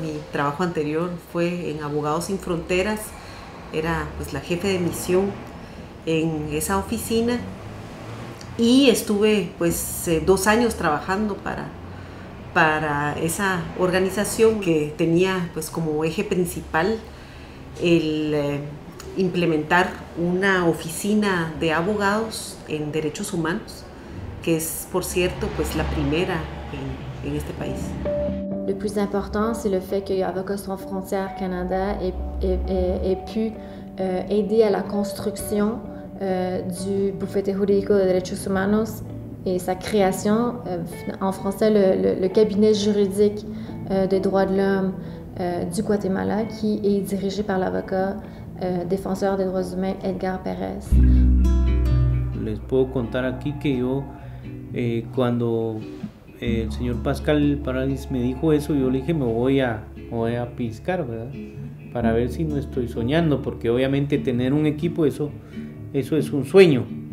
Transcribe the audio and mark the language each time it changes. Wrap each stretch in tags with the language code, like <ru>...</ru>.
<es>Trabajo anterior fue en Abogados Sin Fronteras, era pues la jefe de misión en esa oficina y estuve pues 2 años trabajando para esa organización que tenía pues como eje principal el implementar una oficina de abogados en derechos humanos, que es por cierto pues la primera en este país.</es> <fr>Le plus important, c'est le fait que Avocats sans frontières Canada ait pu aider à la construction du Bufete Jurídico de Derechos Humanos et sa création, en français, le cabinet juridique des droits de l'homme du Guatemala, qui est dirigé par l'avocat défenseur des droits humains Edgar Pérez.</fr> <es>Les peux contar aquí que yo, cuando el señor Pascal Paradis me dijo eso, yo le dije, me voy a piscar, ¿verdad? Para ver si no estoy soñando, porque obviamente tener un equipo, eso es un sueño.</es>